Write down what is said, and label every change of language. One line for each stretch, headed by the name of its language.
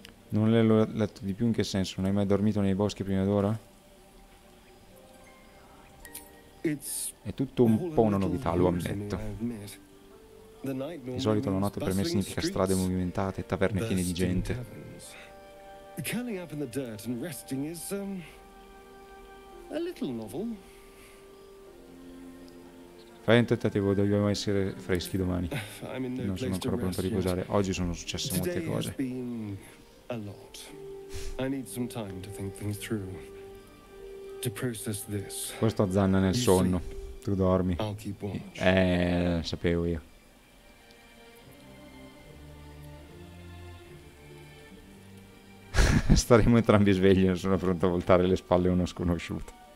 Italian: Non l'ho letto di più, in che senso? Non hai mai dormito nei boschi prima d'ora? È tutto un po' una novità, lo ammetto. Di solito la notte per me significa strade movimentate e taverne piene di gente.
English: Curling up in the dirt and resting is a little novel.
Italian: Fai un tentativo, dobbiamo essere freschi domani. Non sono ancora pronto a riposare. Oggi sono successe molte cose.
English: A lot. I need some time to think things through. To process this.
Italian: Questo azzanna nel sonno. Tu dormi.
English: I'll keep watch.
Italian: Sapevo io. Staremo entrambi svegli, non sono pronto a voltare le spalle a uno sconosciuto.